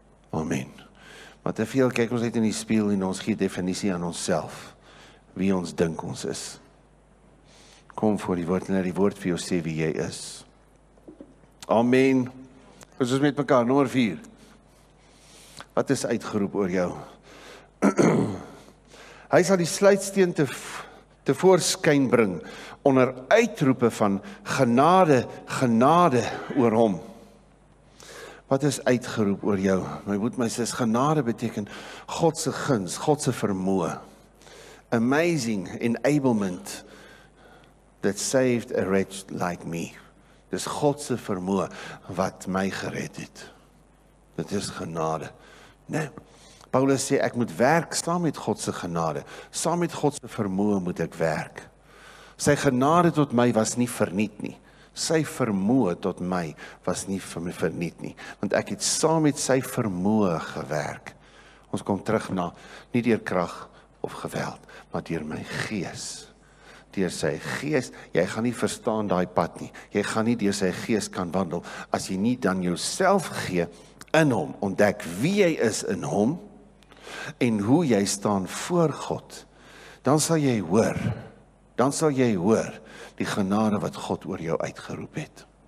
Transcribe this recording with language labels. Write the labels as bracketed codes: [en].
[af] Amen. Maar te veel kyk ons uit in die spieël en ons gee definisie aan onsself, wie ons dink ons is. Kom voor die woord, en die woord vir jou sê wie jy is. Amen. Is ons met mekaar, nummer 4. Wat is uitgeroep oor jou? Hy sal die sluitsteen tevoorskyn bring, onder uitroepe van genade oor hom. Wat is uitgeroep oor jou? My moed, my sis, genade beteken Godse guns, Godse vermoë. [en] Amazing enablement that saved a wretch like me. [af] Dis Godse vermoë wat my gered het. Dit is genade. Nee. Paulus sê, ek moet werk saam met Godse genade. Saam met Godse vermoë moet ek werk. Sy genade tot my was nie verniet nie. Sy vermoë tot my was nie verniet nie. Want ek het saam met sy vermoë gewerk. Ons kom terug na, nie deur krag of geweld, maar deur my gees. Deur sy gees, jy gaan nie verstaan die pad nie, jy gaan nie deur sy gees kan wandel, as jy nie dan jouself gee in hom, ontdek wie jy is in hom, en hoe jy staan voor God, dan sal jy hoor, die genade wat God oor jou uitgeroep het,